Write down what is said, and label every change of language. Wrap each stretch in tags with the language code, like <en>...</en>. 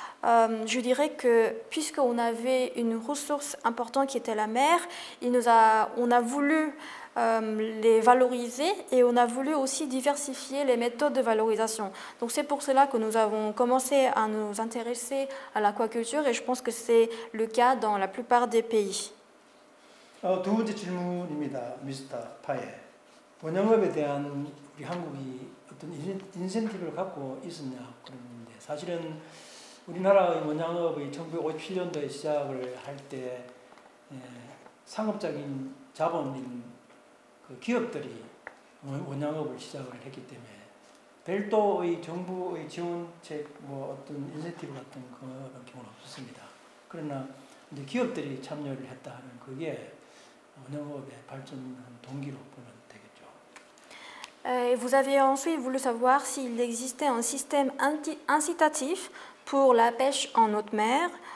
<fr>Je dirais que puisqu'on avait une ressource importante qui était la mer, on a voulu les valoriser et on a voulu aussi diversifier les méthodes de valorisation. Donc c'est pour cela que nous avons commencé à nous intéresser à l'aquaculture et je pense que c'est le cas dans la plupart des pays.</fr> <ko>두 번째 질문입니다, 미스터 파예. 번영업에 대한 우리 한국이 어떤 인센티브를 갖고 있었냐 그런데 사실은 우리나라의 원양업이 1957년도에 시작을 할 때 상업적인 자본인 그 기업들이 원양업을 시작을 했기 때문에 별도의 정부의 지원책 뭐 어떤 인센티브 같은 그런 경우는 없었습니다. 그러나 이제 기업들이 참여를 했다 하는 그게 원양업의 발전 동기로 보면 되겠죠.</ko> <fr>Vous avez ensuite voulu savoir s'il existait un système incitatif pour la pêche en haute mer.</fr>